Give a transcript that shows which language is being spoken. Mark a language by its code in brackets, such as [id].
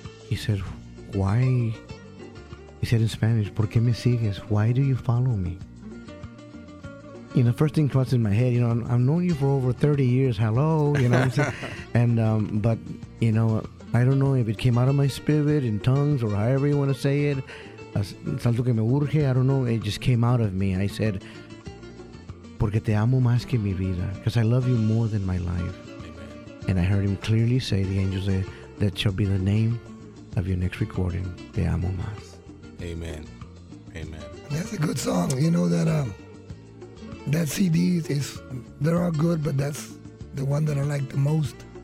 [en] He said, why? He said in Spanish, [es] ¿por qué me sigues? [en] Why do you follow me? You know, first thing crossed in my head, you know, I've known you for over 30 years. Hello, you know what I'm saying? And, but, you know, I don't know if it came out of my spirit in tongues or however you want to say it. [es] Es algo que me urge, [en] I don't know. It just came out of me. I said, [es] porque te amo más que mi vida. [en] Because I love you more than my life. And I heard him clearly say, the angel said, that shall be the name of your next recording. [es] Te amo más. [en] Amen. Amen. That's a good song. You know that that CD is, they're all good, but that's the one that I like the most.